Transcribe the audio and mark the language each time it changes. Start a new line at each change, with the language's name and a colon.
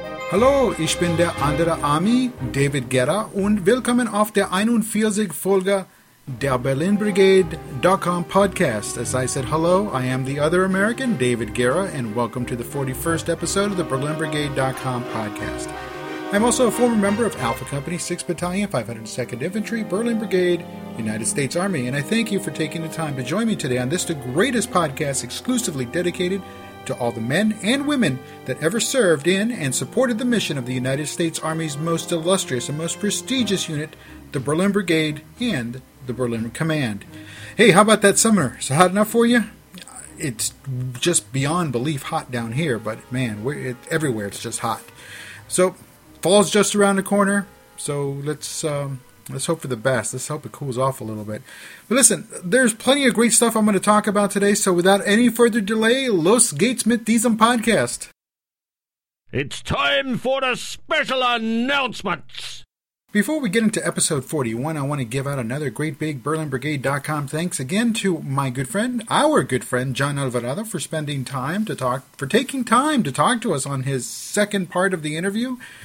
German: Hallo, ich bin der andere Ami, David Guerra, und willkommen auf der 41. Folge der BerlinBrigade.com Podcast.
English: As I said hello, I am the other American, David Guerra, and welcome to the 41st episode of the BerlinBrigade.com Podcast. I'm also a former member of Alpha Company, 6th Battalion, 502nd Infantry, Berlin Brigade, United States Army, and I thank you for taking the time to join me today on this, the greatest podcast exclusively dedicated to all the men and women that ever served in and supported the mission of the United States Army's most illustrious and most prestigious unit, the Berlin Brigade and the Berlin Command. Hey, how about that summer? Is it hot enough for you? It's just beyond belief hot down here, but man, everywhere it's just hot. So, fall's just around the corner, so let's hope for the best. Let's hope it cools off a little bit. But listen, there's plenty of great stuff I'm going to talk about today. So without any further delay,
German: los geht's mit diesem Podcast.
English: It's time for the special announcements. Before we get into episode 41, I want to give out another great big BerlinBrigade.com thanks again to my good friend, our good friend, John Alvarado, for spending time to talk, for taking time to talk to us on his second part of the interview.